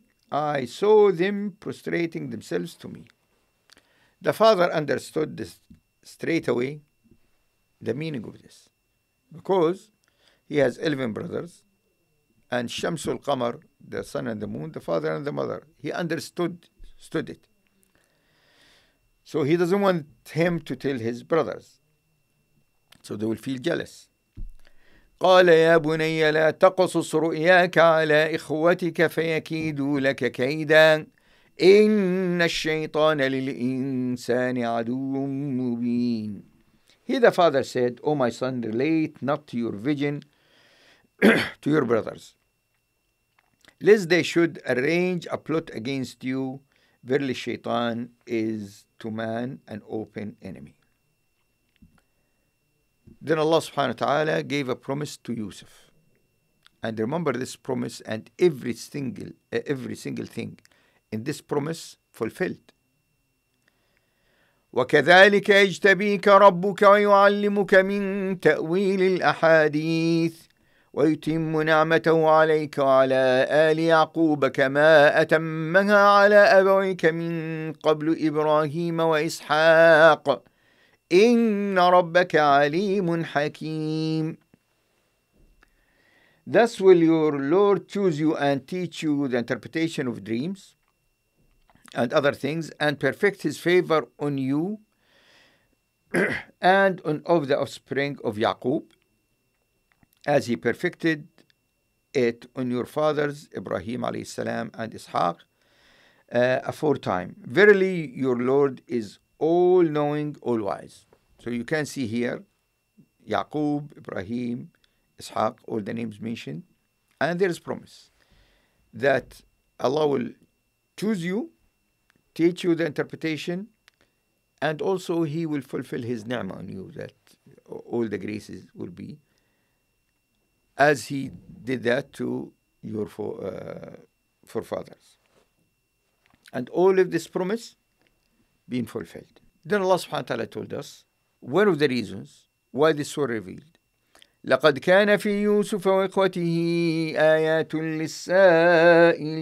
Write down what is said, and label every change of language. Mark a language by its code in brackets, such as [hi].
[en] I saw them prostrating themselves to me." The father understood this straight away, the meaning of this, because he has 11 brothers, and Shamsul Qamar, the sun and the moon, the father and the mother. He understood it. So he doesn't want him to tell his brothers. So they will feel jealous. [ar] قال يا بني لا تقصص رؤياك على إخوتك فيكيدوا لك كيدا إن الشيطان للإنسان عدو مبين. [en] Here the father said, "O my son, relate not your vision to your brothers, lest they should arrange a plot against you. Verily, Shaitan is to man an open enemy." Then Allah subhanahu wa ta'ala gave a promise to Yusuf. And remember this promise, and every single thing in this promise fulfilled. [ar] وكذلك يجتبيك ربك ويعلمك من تأويل الأحاديث ويتم نعمته عليك وعلى آل يعقوب كما أتمها على أبويك من قبل إبراهيم وإسحاق إن ربك عليم حكيم. [en] Thus will your Lord choose you and teach you the interpretation of dreams and other things and perfect his favor on you and on of the offspring of Yaqub as he perfected it on your fathers, Ibrahim alayhi salam and Ishaq, aforetime. Verily, your Lord is all-knowing, all-wise. So you can see here, Yaqub, Ibrahim, Ishaq, all the names mentioned, and there is promise that Allah will choose you, teach you the interpretation, and also He will fulfill His ni'mah on you, that all the graces will be, as He did that to your forefathers. And all of this promise being fulfilled. Then Allah subhanahu wa ta'ala told us one of the reasons why this was revealed. [ar] لقد كان في يوسف وإخوته آيات للسائلين.